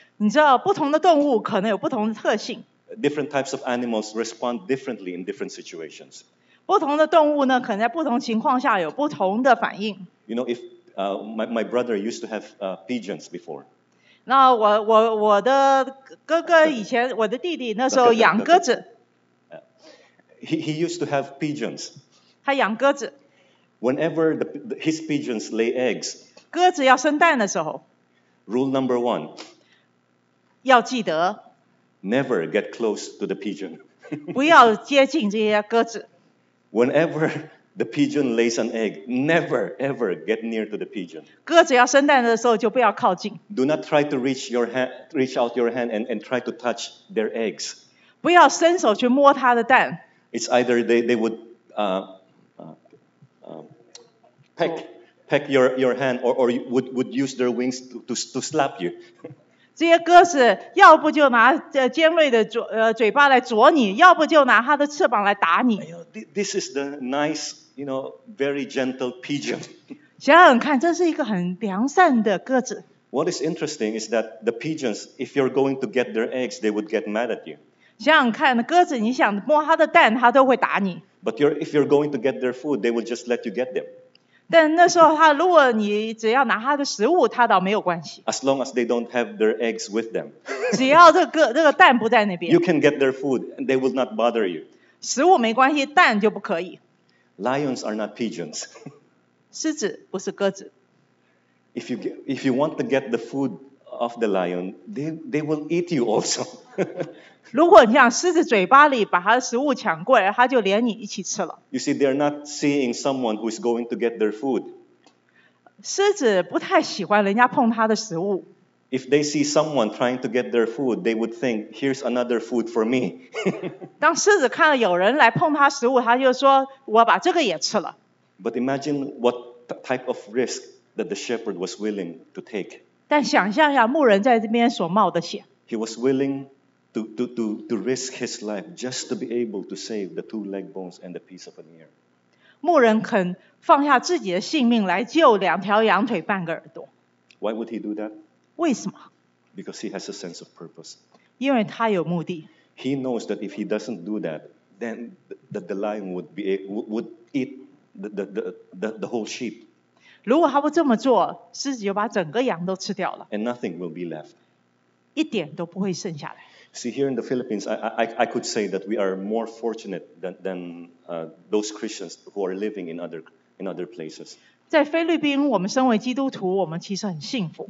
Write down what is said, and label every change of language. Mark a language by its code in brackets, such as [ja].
[zh] 你知道，不同的动物可能有不同的特性。 [en] Different types of animals respond differently in different situations. [zh] 不同的动物呢，可能在不同情况下有不同的反应。 [en] You know, if my brother used to have pigeons before. [zh] 那我的哥哥以前，我的弟弟那时候养鸽子。 [en] He used to have pigeons. [zh] 他养鸽子。 [en] Whenever his pigeons lay eggs. [zh] 鸽子要生蛋的时候。 [en] Rule number one. [zh] 要记得。 [en] Never get close to the pigeon. [zh] 不要接近这些鸽子。 [en] Whenever the pigeon lays an egg, never ever get near to the pigeon. [zh] 鸽子要生蛋的时候就不要靠近。 [en] Do not try to reach your hand, reach out your hand and try to touch their eggs. [zh] 不要伸手去摸它的蛋。 [en] It's either they would peck your hand or would use their wings to slap you. [zh] 这些鸽子要不就拿尖锐的嘴巴来啄你，要不就拿它的翅膀来打你。 [en] This is the nice, you know, very gentle pigeon. [zh] 想想看，这是一个很良善的鸽子。 [en] What is interesting is that the pigeons, if you're going to get their eggs, they would get mad at you. [zh] 想想看，鸽子你想摸它的蛋，它都会打你。 [en] But if you're going to get their food, they would just let you get them. [zh] 但那时候他如果你只要拿他的食物他倒没有关系。 [en] As long as they don't have their eggs with them. [zh] 只要这个蛋不在那边。 [en] You can get their food and they will not bother you. [zh] 食物没关系蛋就不可以。 [en] Lions are not pigeons. [zh] 狮子不是鸽子。 [en] If you want to get the food of the lion, they will eat you also. [zh] 如果你像狮子嘴巴里把它的食物抢过来，它就连你一起吃了。 [en] You see, they're not seeing someone who is going to get their food. [zh] 狮子不太喜欢人家碰它的食物。 [en] If they see someone trying to get their food, they would think, "Here's another food for me." [zh] 当狮子看到有人来碰它食物，它就说：“我把这个也吃了。” [en] But imagine what type of risk that the shepherd was willing to take. [zh] 但想象一下牧人在这边所冒的险。 [en] He was willing. To risk his life just to be able to save the two leg bones and the piece of an ear. [zh] 牧人肯放下自己的性命来救两条羊腿半个耳朵。 [en] Why would he do that? [zh] 为什么? [en] Because he has a sense of purpose. [zh] 因为他有目的。 [en] He knows that if he doesn't do that, then the lion would eat the whole sheep. [zh] 如果他不这么做，狮子就把整个羊都吃掉了。 [en] And nothing will be left. [zh] 一点都不会剩下来。 [en] See, here in the Philippines, I could say that we are more fortunate than those Christians who are living in other places. [zh] 在菲律宾，我们身为基督徒，我们其实很幸福。